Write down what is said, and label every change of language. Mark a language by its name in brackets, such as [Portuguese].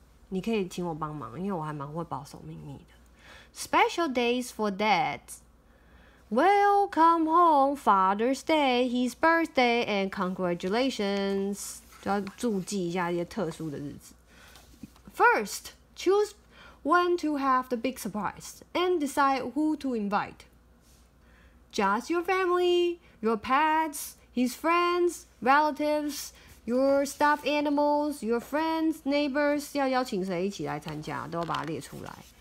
[Chinese] 你可以请我帮忙，因为我还蛮会保守秘密的。 [English] Special days for dads. Welcome home, Father's Day, his birthday, and congratulations. [Chinese] 就要注记一下一些特殊的日子。 [English] First, choose when to have the big surprise, and decide who to invite. Just your family, your pets, his friends, relatives, your stuffed animals, your friends, neighbors. [Chinese] 要邀请谁一起来参加，都要把它列出来。